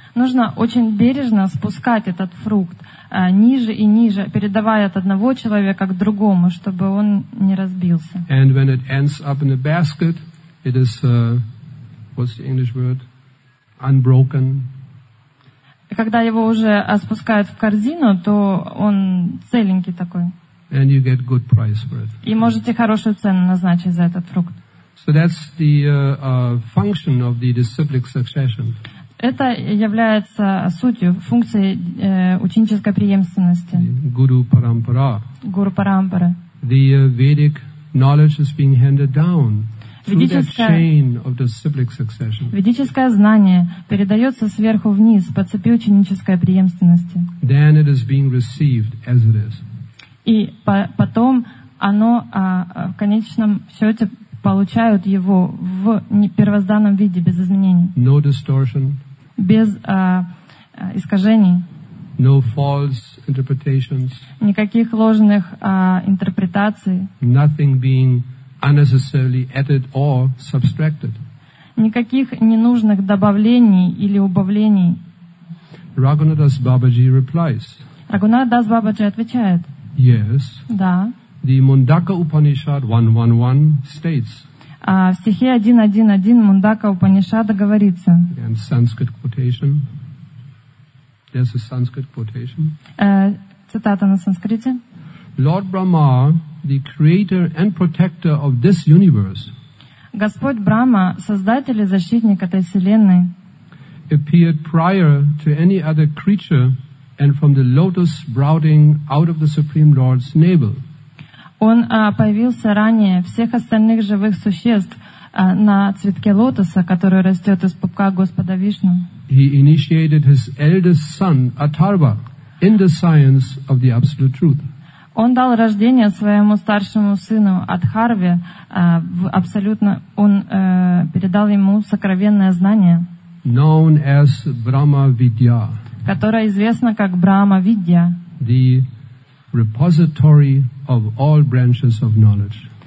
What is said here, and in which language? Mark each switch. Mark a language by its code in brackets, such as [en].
[ru] Нужно очень бережно спускать этот фрукт ниже и ниже, передавая от одного человека к другому, чтобы он не разбился. [en] And when it ends up in a basket, it is, what's the English word? Unbroken. [ru] Когда его уже спускают в корзину, то он целенький такой. [en] And you get good price for it. [ru] И можете хорошую цену назначить за этот фрукт. [en] So that's the function of the disciplic succession. [ru] Это является сутью, функцией ученической преемственности. [sa] Guru Parampara. Guru Parampara. [en] The Vedic knowledge is being handed down through that chain of disciplic succession. [ru] Ведическое знание передается сверху вниз по цепи ученической преемственности. [en] Then it is being received as it is. [ru] И потом оно в конечном счете получают его в первозданном виде, без изменений. [en] No distortion. [ru] Без искажений. [en] No false interpretations. [ru] Никаких ложных интерпретаций. [en] Nothing being unnecessarily added or subtracted. [ru] Никаких ненужных добавлений или убавлений. [en] Raghunath Das Babaji replies. [ru] Raghunath Das Babaji отвечает. [en] Yes. [ru] Да. [en] The Mundaka Upanishad 111 states. [ru] В стихе 1.1.1 Мундака Упанишада говорится. [en] And Sanskrit quotation. There's a Sanskrit quotation. [ru] Цитата на санскрите. [en] Lord Brahma, the creator and protector of this universe. [ru] Господь Брама, создатель и защитник этой вселенной. [en] Appeared prior to any other creature and from the lotus sprouting out of the Supreme Lord's navel. [ru] Он появился ранее всех остальных живых существ на цветке лотоса, который растет из пупка Господа Вишну. [en] He initiated his eldest son, Atharva, in the science of the absolute truth. [ru] Он дал рождение своему старшему сыну Атхарве, передал ему сокровенное знание, [en] known as Brahma Vidya, [ru] которое известно как Брахма Видья. [en] Repository of all branches of knowledge,